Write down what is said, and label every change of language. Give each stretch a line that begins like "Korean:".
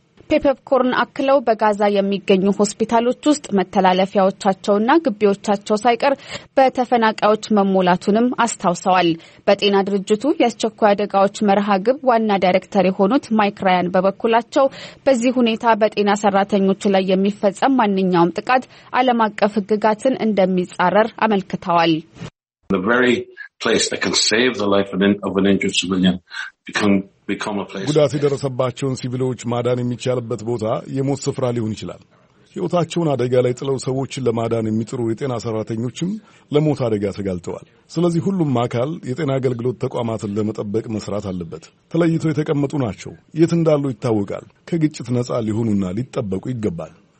Amharic: ፔፐርኮርን አክለው በጋዛ የሚገኙ ሆስፒታሎች ውስጥ መተላለፊያዎቻቸውና ግቢዎቻቸው ሳይቀር በተፈናቃዮች መሞላቱንም አስታውሰዋል። በጤና ድርጅቱ የአስቸኳይ አደጋዎች መርሃ ግብ ዋና ዳይሬክተር የሆኑት ማይክ ራያን በበኩላቸው በዚህ ሁኔታ በጤና ሰራተኞች ላይ የሚፈጸም ማንኛውም ጥቃት ዓለም አቀፍ ሕግጋትን እንደሚጻረር አመልክተዋል።
English: The very place that can save the life of an injured civilian become a place.
Amharic: ጉዳት የደረሰባቸውን ሲቪሎች ማዳን የሚቻልበት ቦታ የሞት ስፍራ ሊሆን ይችላል። ሕይወታቸውን አደጋ ላይ ጥለው ሰዎችን ለማዳን የሚጥሩ የጤና ሰራተኞችም ለሞት አደጋ ተጋልጠዋል። ስለዚህ ሁሉም አካል የጤና አገልግሎት ተቋማትን ለመጠበቅ መስራት አለበት። ተለይተው የተቀመጡ ናቸው። የት እንዳሉ ይታወቃል። ከግጭት ነጻ ሊሆኑና ሊጠበቁ ይገባል።